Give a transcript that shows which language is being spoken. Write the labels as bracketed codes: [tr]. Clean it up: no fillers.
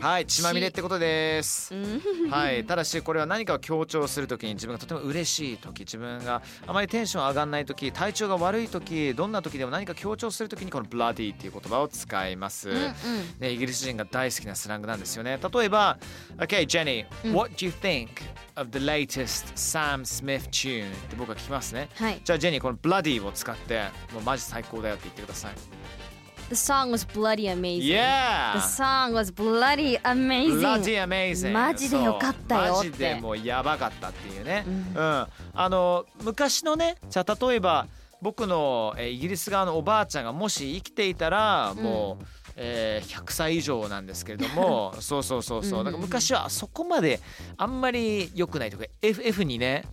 [ja] はい、血まみれってことです、はい、ただしこれは何かを強調するときに、自分がとても嬉しいとき、自分があまりテンション上がらないとき、体調が悪いとき、どんなときでも何か強調するときにこの Bloody っていう言葉を使います、うんうん、ね、イギリス人が大好きなスラングなんですよね。例えば [en] Okay Jenny、 [ja] うん、 [en] What do you think of the latest Sam Smith tune [ja] って僕は聞きますね、はい、じゃあジェニーこの Bloody を使って、もうマジ最高だよって言ってください。 [en] The song was bloody amazing. Yeah. The song was bloody amazing. Bloody amazing. [ja] マジでよかったよって。マジでもうやばかったっていうね。うん。うん、あの昔のね、じゃあ例えば僕のイギリス側のおばあちゃんがもし生きていたら、もう、うん、100歳以上なんですけれども、そうそうそうそう。なんか昔はそこまであんまり良くないとか、FF にね。